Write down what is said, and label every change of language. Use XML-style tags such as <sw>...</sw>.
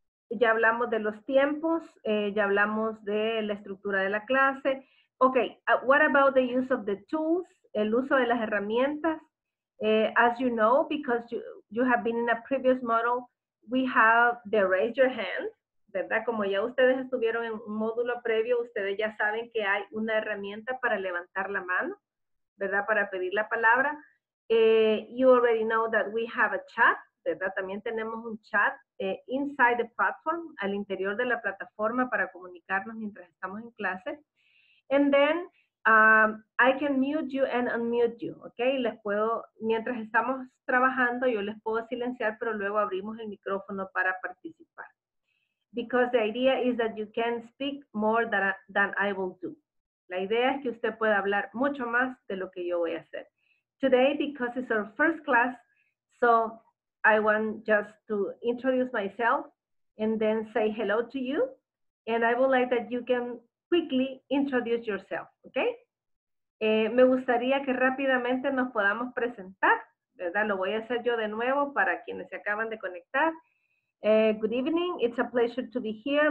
<es>Ya hablamos de los tiempos, ya hablamos de la estructura de la clase.</es> <en>Ok, what about the use of the tools,</en> <es>el uso de las herramientas?</es> <en>As you know, because you have been in a previous model, we have the raise your hand, ¿verdad?</en> <es>Como ya ustedes estuvieron en un módulo previo, ustedes ya saben que hay una herramienta para levantar la mano, ¿verdad? Para pedir la palabra.</es> <en>You already know that we have a chat, ¿verdad?</en> <es>También tenemos un chat</es> <en>inside the platform,</en> <es>al interior de la plataforma para comunicarnos mientras estamos en clase.</es> <en>And then, I can mute you and unmute you, ¿ok?</en> <es>Les puedo, mientras estamos trabajando, yo les puedo silenciar, pero luego abrimos el micrófono para participar.</es> <en>Because the idea is that you can speak more than I will do.</en> <es>La idea es que usted pueda hablar mucho más de lo que yo voy a hacer.</es> <en>Today, because it's our first class, so I want just to introduce myself and then say hello to you. And I would like that you can quickly introduce yourself, okay?</en> <es>Me gustaría que rápidamente nos podamos presentar, ¿verdad? Lo voy a hacer yo de nuevo para quienes se acaban de conectar.</es> <en>Good evening, it's a pleasure to be here.</en>